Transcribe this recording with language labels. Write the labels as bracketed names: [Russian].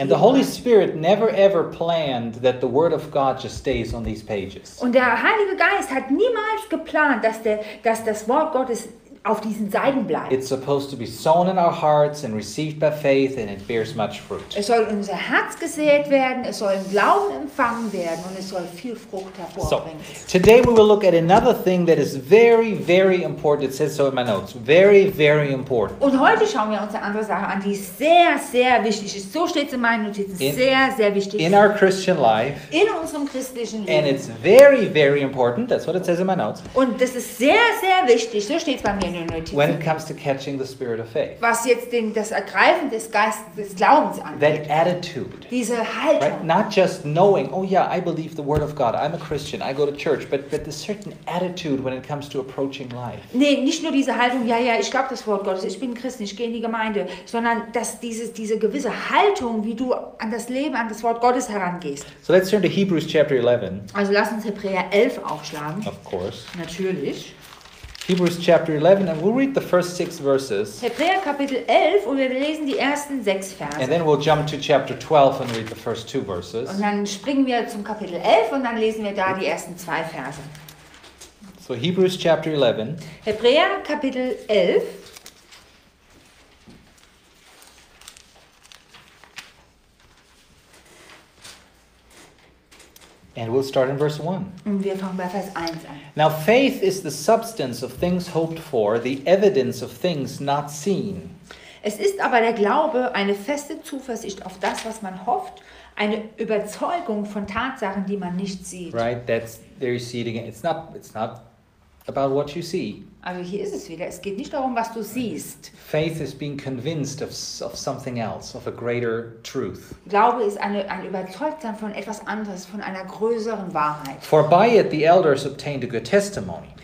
[English] And the Holy Spirit never ever planned that the word of God just stays on these pages. [German] Und der Heilige Geist hat niemals geplant, dass das Wort Gottes auf diesen Seiten bleibt. [English] It's supposed to be sown in our hearts and received by faith and it bears much fruit. [German] Es soll in unser Herz gesät werden, es soll im Glauben empfangen werden und es soll viel Frucht hervorbringen. [English] So, today we will look at another thing that is very, very important. It says so in my notes. Very, very important. [German] Und heute schauen wir uns eine andere Sache an, die sehr, sehr wichtig ist. So steht es in meinen Notizen. Sehr, sehr wichtig. [English] In our Christian life. [German] In unserem christlichen Leben. [English] And it's very, very important. That's what it says in my notes. [German] Und das ist sehr, sehr wichtig. So steht es bei mir. meine Notizen. [English] When it comes to catching the spirit of faith. [German] Was jetzt den, das Ergreifen des Geistes des Glaubens angeht. [English] That attitude. [German] Diese Haltung. Right? [English] Not just knowing, oh yeah, I believe the word of God, I'm a Christian, I go to church, but the certain attitude when it comes to approaching life. [German] Nee, nicht nur diese Haltung, ja, ja, ich glaube das Wort Gottes, ich bin Christ, ich gehe in die Gemeinde, sondern dass diese gewisse Haltung, wie du an das Leben, an das Wort Gottes herangehst. [English] So let's turn to Hebrews chapter 11. [German] Also lass uns Hebräer 11 aufschlagen. [English] Of course. [German] Natürlich. [English] Hebrews chapter 11 and we'll read the first 6 verses. [German] Hebräer Kapitel 11 und wir lesen die ersten 6 Verse. [English] And then we'll jump to chapter 12 and read the first 2 verses. [German] Und dann springen wir zum Kapitel 11 und dann lesen wir da die ersten 2 Verse. [English] So Hebrews chapter 11. [German] Hebräer Kapitel 11. [English] And we'll start in verse 1. [German] Und wir fangen bei Vers 1 an. [English] Now faith is the substance of things hoped for, the evidence of things not seen. [German] Es ist aber der Glaube eine feste Zuversicht auf das, was man hofft, eine Überzeugung von Tatsachen, die man nicht sieht. [English] Right, that's, there you see it again. It's not about what you see. [German] Also hier ist es wieder. Es geht nicht darum, was du siehst. [English] Faith is being convinced of something else, of a greater truth. [German] Glaube ist ein Überzeugtsein von etwas anderes, von einer größeren Wahrheit. [English] For by it the elders obtained a good testimony.